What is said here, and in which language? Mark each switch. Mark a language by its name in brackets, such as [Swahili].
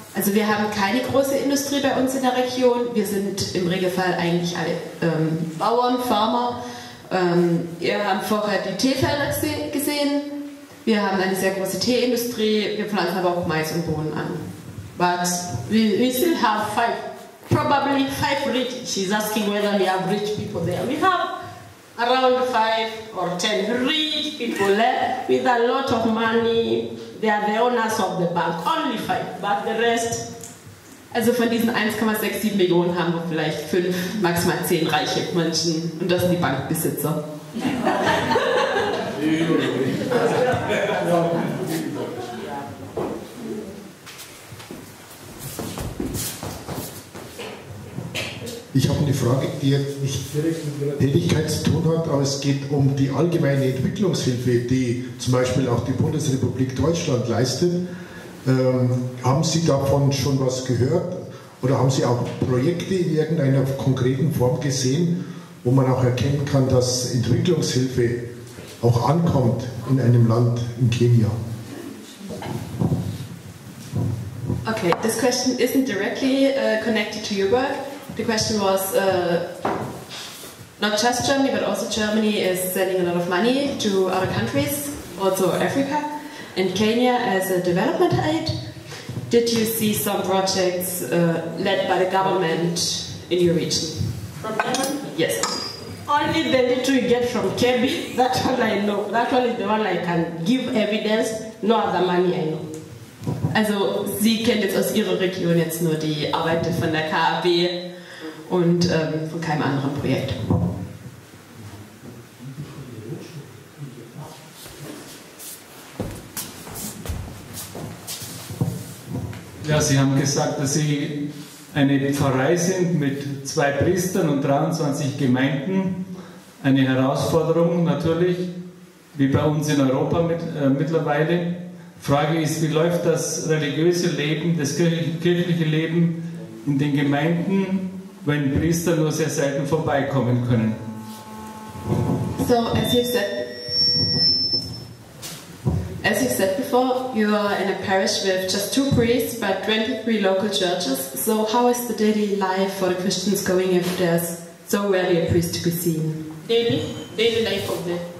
[German] Also wir haben keine große Industrie bei uns in der Region. Wir sind im Regelfall eigentlich alle Bauern, Farmer. Ihr habt vorher die Teefelder gesehen. Wir haben eine sehr große Teeindustrie. Wir pflanzen aber auch Mais und Bohnen an. [English] But we still have probably five rich. She's asking whether we have rich people there. We have around 5 or 10 rich people left with a lot of money. They are the owners of the bank. Only 5, but the rest. [German] Also von diesen 1,67 Millionen haben wir vielleicht 5, maximal 10 reiche Menschen. Und das sind die Bankbesitzer. Ich habe eine Frage, die jetzt nicht direkt mit Ihrer Tätigkeit zu tun hat, aber es geht um die allgemeine Entwicklungshilfe, die zum Beispiel auch die Bundesrepublik Deutschland leistet. Haben Sie davon schon was gehört oder haben Sie auch Projekte in irgendeiner konkreten Form gesehen, wo man auch erkennen kann, dass Entwicklungshilfe auch ankommt in einem Land, in Kenia? [English] Okay, this question isn't directly connected to your work. The question was not just Germany, but also Germany is sending a lot of money to other countries, also Africa. In Kenya as a development aid, did you see some projects led by the government in your region? From Kenya? Yes. Only the little you get from KEBI, that one I know. That one is the one I can give evidence, no other money I know. [German] Also, Sie kennen jetzt aus Ihrer Region jetzt nur die Arbeit von der KAB und von keinem anderen Projekt. Ja, Sie haben gesagt, dass Sie eine Pfarrei sind mit 2 Priestern und 23 Gemeinden. Eine Herausforderung natürlich, wie bei uns in Europa mittlerweile. Frage ist, wie läuft das religiöse Leben, das kirchliche Leben in den Gemeinden, wenn Priester nur sehr selten vorbeikommen können? [English] So, as you said before, you are in a parish with just 2 priests but 23 local churches. So how is the daily life for the Christians going if there's so rarely a priest to be seen? Daily life of the